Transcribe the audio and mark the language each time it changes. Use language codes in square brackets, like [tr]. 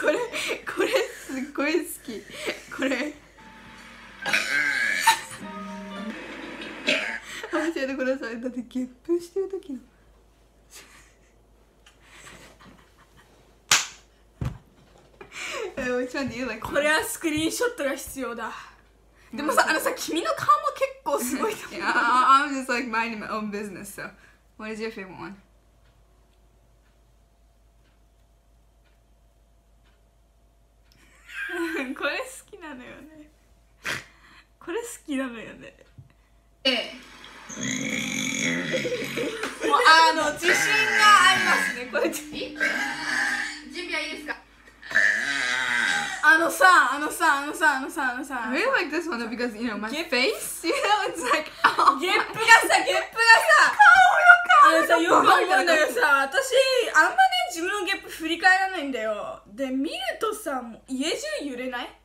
[ja] これ、これすっごい好き、これあ、教えてください。だってゲップしてるときのこれはスクリーンショットが必要だ。でもさ、あのさ、君の顔も結構すごいと思う。 [en] I'm just like minding my own business, so what is your favorite one? [ja] これ好きなのよね。これ好きなのよね。ええ。もうあの自信がありますね。これ準備。準備はいいですか。あのさ、あのさ、あのさ、あのさ、あのさ。 [en] I really like this one because you know my face. You know, it's like. [ja] ゲップがさ、ゲップがさ。顔の顔。あのさ、よく思うんだけどさ、私あんまね自分のゲップ振り返らないんだよ。で見るとさ、もう家中揺れない？